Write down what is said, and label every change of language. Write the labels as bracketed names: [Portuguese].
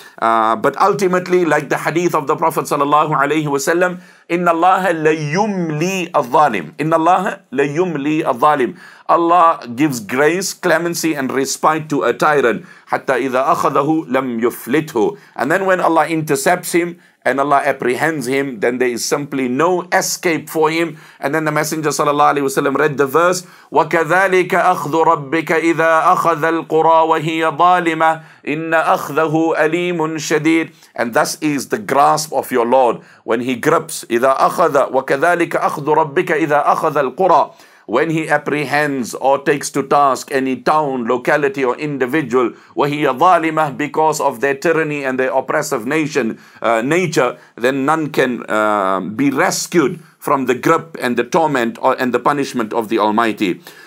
[English] But ultimately, like the hadith of the Prophet sallallahu alayhi wa sallam, [Arabic] إِنَّ اللَّهَ لَيُمْلِي الظَّالِمِ [English] إِنَّ اللَّهَ لَيُمْلِي الظَّالِمِ. Allah gives grace, clemency and respite to a tyrant. [Arabic] حَتَّى إِذَا أَخَذَهُ لَمْ يُفْلِتْهُ. [English] And then when Allah intercepts him and Allah apprehends him, then there is simply no escape for him. And then the Messenger sallallahu alaihi wasallam read the verse, [Arabic] وَكَذَلِكَ أَخْذُ رَبِّكَ إِذَا أَخَذَ الْقُرَى وَهِيَ ظَالِمَةً إِنَّ أَخْذَهُ أَلِيمٌ شَدِيدٌ. [English] And thus is the grasp of your Lord when he grips. [Arabic] إِذَا أَخَذَ وَكَذَلِكَ أَخْذُ رَبِّكَ إِذَا أَخَذَ الْقُرَى. [English] When he apprehends or takes to task any town, locality or individual, [Arabic] وَهِيَ ظَالِمَةٌ, [English] because of their tyranny and their oppressive nation nature, then none can be rescued from the grip and the torment or, and the punishment of the Almighty.